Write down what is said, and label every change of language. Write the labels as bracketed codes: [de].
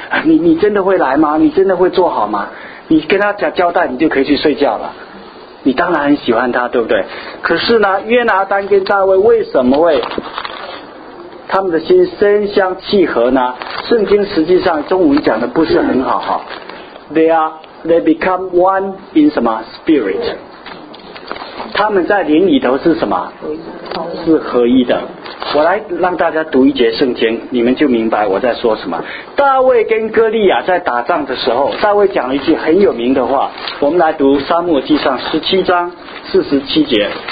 [zh] 你真的会来吗？你真的会做好吗？你跟他讲交代，你就可以去睡觉了。你当然很喜欢他，对不对？可是呢，约拿丹跟大卫为什么会他们的心深相契合呢？圣经实际上中文讲的不是很好哈。 [en] They become one in [zh] 什么 [en] spirit？ [zh] 他们在灵里头是什么？是合一的。我来让大家读一节圣经，你们就明白我在说什么。大卫跟哥利亚在打仗的时候，大卫讲了一句很有名的话，我们来读撒母耳记上17章47节。